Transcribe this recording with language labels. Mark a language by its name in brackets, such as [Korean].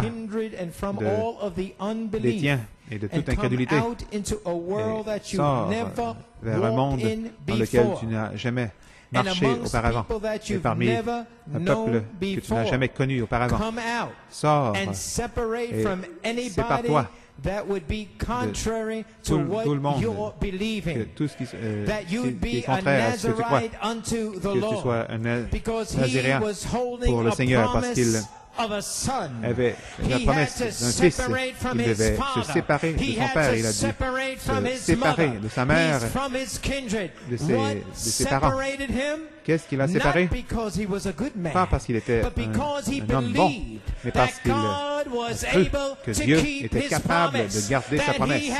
[French] de tes tiens et de toute incrédulité et sors vers un monde dans lequel tu n'as jamais marché auparavant et parmi un peuple que tu n'as jamais connu auparavant. Sors et sépare-toi [English] that would be contrary to what you're believing. That you'd be a Nazarite unto the Lord. Because he was holding a promise of a son. [French] Avait la promesse d'un fils. Il devait se séparer de son père. Il a dû se séparer de sa mère, de ses parents. Qu'est-ce qui l'a séparé? Pas parce qu'il était un homme bon, mais parce qu'il a cru que Dieu était capable de garder sa promesse.